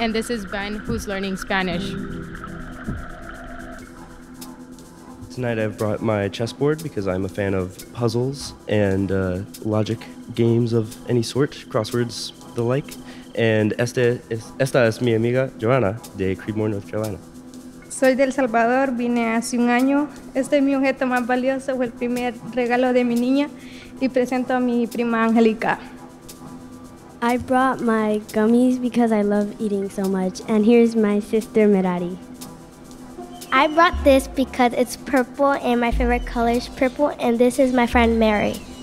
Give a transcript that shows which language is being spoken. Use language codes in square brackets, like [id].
[en] And this is Ben, who's learning Spanish. Tonight, I've brought my chessboard because I'm a fan of puzzles and logic games of any sort, crosswords, the like. [es] And esta es mi amiga, Joanna, de Creedmoor, North Carolina. Soy de El Salvador, vine hace un año. Este es mi objeto más valioso, fue el primer regalo de mi niña. Y presento a mi prima Angelica. [en] I brought my gummies because I love eating so much. And here's my sister, Merari. I brought this because it's purple and my favorite color is purple. And this is my friend, Mary.